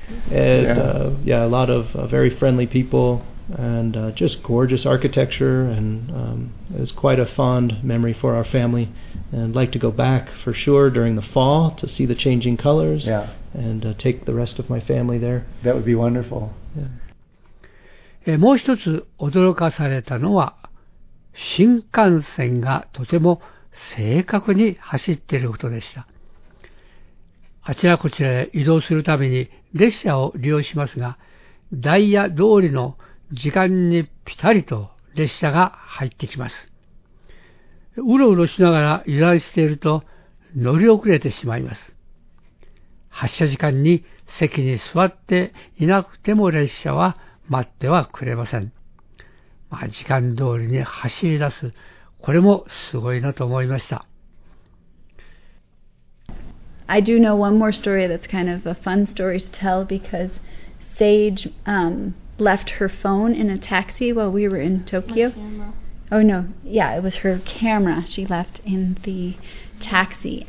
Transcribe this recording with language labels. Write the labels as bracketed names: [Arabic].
[English] And a lot of very friendly people and just gorgeous architecture, and it's quite a fond memory for our family. And I'd like to go back for sure during the fall to see the changing colors and take the rest of my family there. That would be wonderful. Yeah. [Japanese] もう一つ驚かされたのは新幹線がとても正確に走っていることでした。あちらこちらへ移動するために列車を利用しますが、ダイヤ通りの時間にぴたりと列車が入ってきます。うろうろしながら油断していると乗り遅れてしまいます。発車時間に席に座っていなくても列車は待ってはくれません。まあ、時間通りに走り出す、これもすごいなと思いました。 [English] I do know one more story that's kind of a fun story to tell, because Sage left her phone in a taxi while we were in Tokyo. My camera. Oh, no. Yeah, it was her camera she left in the taxi.